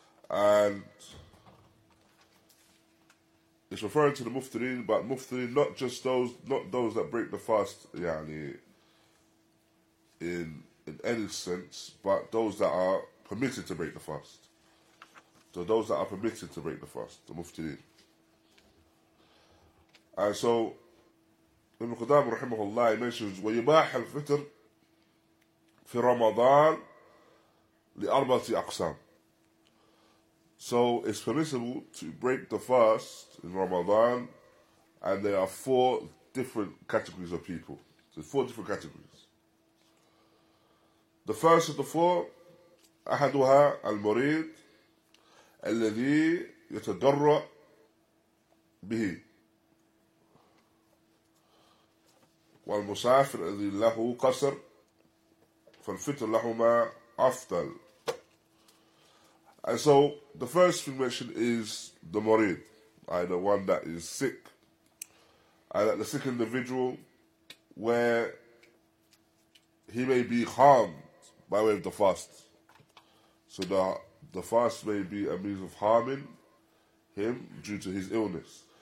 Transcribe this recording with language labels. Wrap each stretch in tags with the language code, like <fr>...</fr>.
<en>And it's referring to the muftirin, but muftirin, not those that break the fast, yani, in any sense, but those that are permitted to break the fast. So those that are permitted to break the fast, the muftirin. And so, Ibn Qudamah rahimahullah mentions</en> <ar>ويباح الفطر في رمضان لأربعة أقسام.</ar> <en>So it's permissible to break the fast in Ramadan, and there are four different categories of people. So four different categories. The first of the four,</en> <ar>أحدها المريض الذي يتضرع به. والمسافر الذي له قصر فالفطر لهما أفضل.</ar> <en>And so the first thing mentioned is the murid, right, the one that is sick, and the sick individual where he may be harmed by way of the fast. So the fast may be a means of harming him due to his illness.</en>